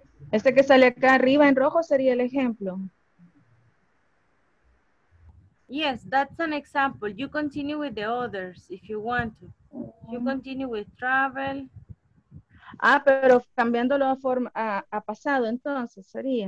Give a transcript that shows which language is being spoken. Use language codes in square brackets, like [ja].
[es] Este que sale acá arriba en rojo sería el ejemplo. [en] Yes, that's an example. You continue with the others if you want to. You continue with travel. [es] Ah, pero cambiándolo a forma a pasado, entonces sería.